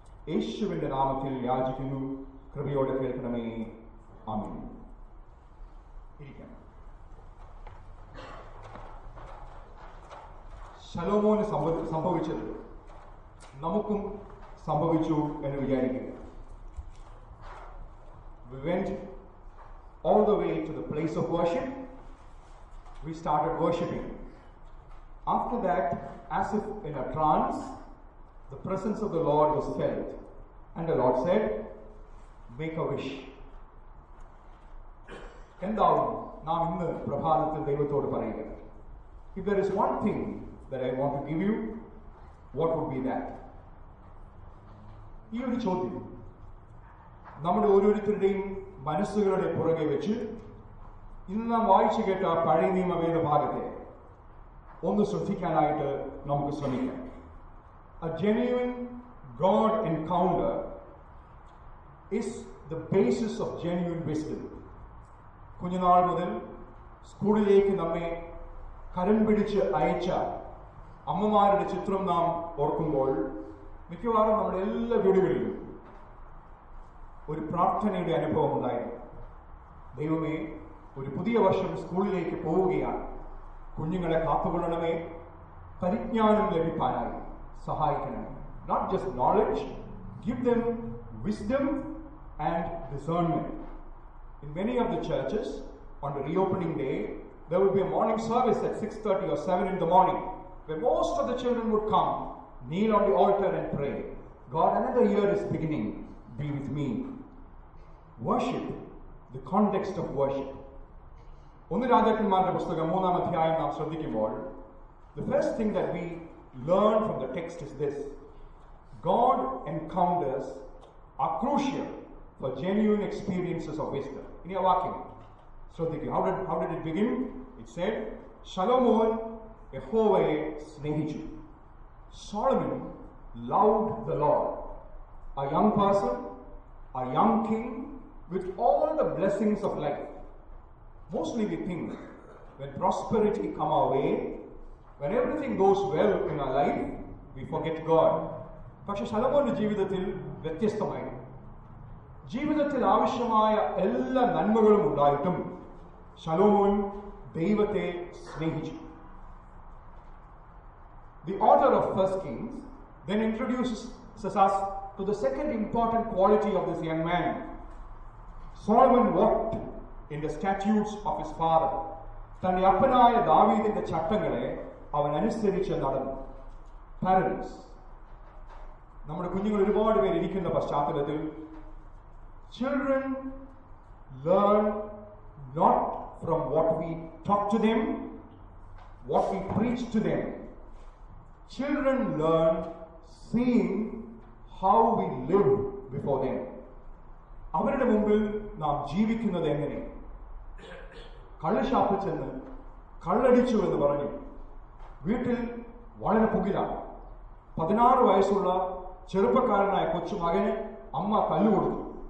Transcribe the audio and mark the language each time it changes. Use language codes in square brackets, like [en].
[ml] യേശുവിന്റെ നാമത്തിൽ യാചിക്കുന്നു, കൃപയോടെ കേൾക്കണമേ. ആമേൻ. ശലോമോന് സംഭവിച്ചത് നമുക്കും സംഭവിച്ചു എന്ന് വിചാരിക്കുക. [en] We went all the way to the place of worship. We started worshiping. After that, as if in a trance, the presence of the Lord was felt. And the Lord said, make a wish. [ml] എന്താവും നാം ഇന്ന് പ്രഭാതത്തിൽ ദൈവത്തോട് പറയുക? [en] If there is one thing that I want to give you, what would be that? [ml] ഈ ഒരു ചോദ്യം നമ്മുടെ ഓരോരുത്തരുടെയും മനസ്സുകളുടെ പുറകെ വെച്ച് ഇന്ന് നാം വായിച്ചു കേട്ട പഴയ നിയമവേദ ഭാഗത്തെ ഒന്ന് ശ്രദ്ധിക്കാനായിട്ട് നമുക്ക് ശ്രമിക്കാം. [en] A genuine God encounter is the basis of genuine wisdom. [ml] കുഞ്ഞുനാൾ മുതൽ സ്കൂളിലേക്ക് നമ്മെ കരം പിടിച്ച് അയച്ച അമ്മമാരുടെ ചിത്രം നാം ഓർക്കുമ്പോൾ മിക്കവാറും നമ്മുടെ എല്ലാ വീടുകളിലും ഒരു പ്രാർത്ഥനയുടെ അനുഭവം ഉണ്ടായിരുന്നു. ദൈവമേ, ഒരു പുതിയ വർഷം സ്കൂളിലേക്ക് പോവുകയാണ്, കുഞ്ഞുങ്ങളെ കാത്തുകൊള്ളണമേ, പരിജ്ഞാനം ലഭിക്കാനായി സഹായിക്കണമേ. [en] Not just knowledge, give them wisdom and discernment. In many of the churches, on the reopening day, there would be a morning service at 6:30 or 7 in the morning, where most of the children would come, kneel on the altar and pray, God, another year is beginning, be with me. Worship, the context of worship. [ml] ഒന്നു രാജാക്കന്മാരുടെ പുസ്തകം 3-ാം അധ്യായം നാം ശ്രദ്ധിക്കുമ്പോൾ, [en] the first thing that we learn from the text is this, God encounters are crucial for genuine experiences of wisdom. In your walking, so how did it begin? It said, [ml] Shalomon Yehovah snehichu. [en] Solomon loved the Lord. A young person, a young king, with all the blessings of life. Mostly we think, when prosperity come our way, when everything goes well in our life, we forget God. [ml] പക്ഷെ ശലോമോന്റെ ജീവിതത്തിൽ വ്യത്യസ്തമായിരുന്നു. ജീവിതത്തിൽ ആവശ്യമായ എല്ലാ നന്മകളും ഉണ്ടായിട്ടും ശലോമോൻ ദൈവത്തെ സ്നേഹിച്ചു. [en] The author of 1 Kings then introduces us to the second important quality of this young man. Solomon walked in the statutes of his father. [ml] തന്റെ അപ്പനായ ദാവീദിന്റെ ചട്ടങ്ങളെ അവൻ അനുസരിച്ച് നടന്നു. [en] Parents, [ml] നമ്മുടെ കുഞ്ഞുങ്ങൾ ഒരുപാട് പേര് ഇരിക്കുന്ന പശ്ചാത്തലത്തിൽ, [en] children learn not from what we talk to them, what we preach to them. Children learn seeing how we live before them. [ml] അവരുടെ മുമ്പിൽ നാം ജീവിക്കുന്നത് എങ്ങനെ? കള്ളുശാപ്പിച്ചെന്ന്, കള്ളടിച്ചു എന്ന് പറഞ്ഞു വീട്ടിൽ വളരെ പുകിലാണ്. 16 വയസ്സുള്ള ചെറുപ്പക്കാരനായ കൊച്ചുമകന് അമ്മ കല്ലു കൊടുത്തു.